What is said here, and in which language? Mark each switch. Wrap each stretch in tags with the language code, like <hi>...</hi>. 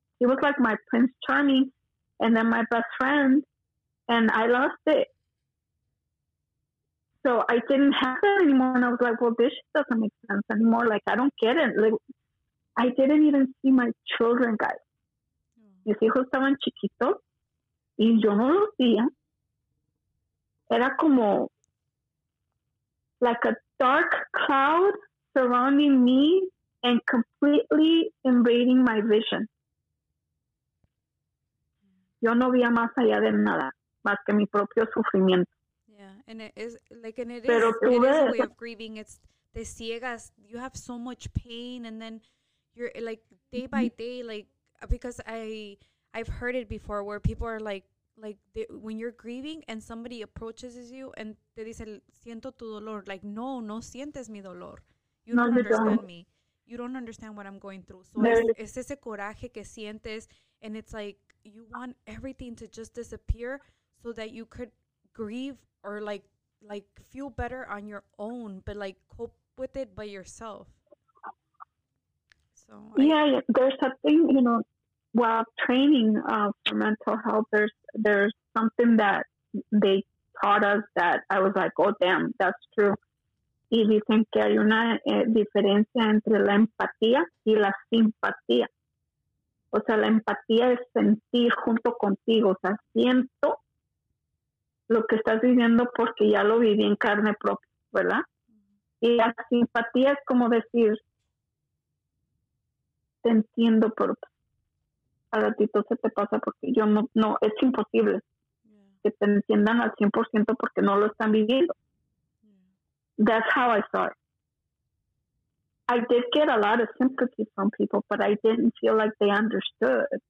<en>He was like my Prince Charming and then my best friend, and I lost it. So I didn't have that anymore, and I was like, well, this doesn't make sense anymore. Like, I don't get it. Like, I didn't even see my children, guys.</en> <es>Mis hijos estaban chiquitos y yo no los veía. Era como</es> <en>like a dark cloud surrounding me and completely invading my vision.</en> <es>Yo no veía más allá de nada, más que mi propio sufrimiento.</es> <en>Yeah, and it is a way of grieving. It's</en> <es>te ciegas.</es> <en>You have so much pain, and then you're like day by day, like because I've heard it before where people are like when you're grieving and somebody approaches you and</en> <es>te dice siento tu dolor,</es> <en>like</en> <es>no sientes mi dolor.</es> <en>You don't understand me. You don't understand what I'm going through. So</en> <es>es ese coraje que sientes,</es> <en>and it's like you want everything to just disappear so that you could grieve or like feel better on your own, but like cope with it by yourself. So there's a thing, you know, while training for mental health, there's something that they taught us that I was like, oh damn, that's true.</en> <es>Y dicen que hay una diferencia entre la empatía y la simpatía. O sea, la empatía es sentir junto contigo. O sea, siento lo que estás viviendo porque ya lo viví en carne propia, ¿verdad? Y la simpatía es como decir, te entiendo, pero a ratito se te pasa porque yo no, es imposible que te entiendan al 100% porque no lo están viviendo.</es> <en>That's how I saw it. I did get a lot of sympathy from people, but I didn't feel like they understood.</en>